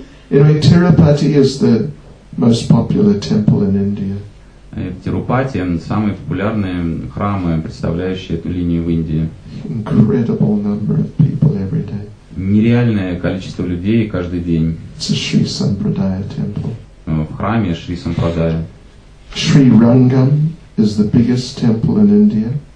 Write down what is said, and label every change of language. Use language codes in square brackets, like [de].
[en] Anyway, Tirupati is the most popular temple in India. [ru] Тирупати – самые популярные храмы, представляющие эту линию в Индии. [en] Incredible number of people every day. [ru] Нереальное количество людей каждый день. [en] It's a Sri Sampradaya temple. [ru] В храме Шри Сампрадая. [en] Sri Rangam is the biggest temple in India.